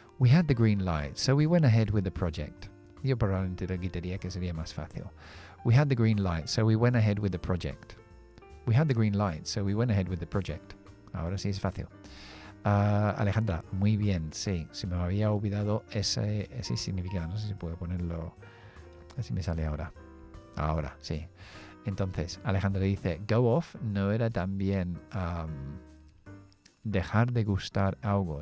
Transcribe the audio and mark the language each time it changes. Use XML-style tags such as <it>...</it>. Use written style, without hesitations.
<en>We had the green light, so we went ahead with the project.</en> <es>Yo probablemente lo quitaría, que sería más fácil.</es> <en>We had the green light, so we went ahead with the project. We had the green light, so we went ahead with the project.</en> <es>Ahora sí es fácil. Alejandra, muy bien, sí. Se me había olvidado ese significado. No sé si puedo ponerlo. Así me sale ahora. Ahora, sí. Entonces, Alejandra dice, go off no era también dejar de gustar algo.</es>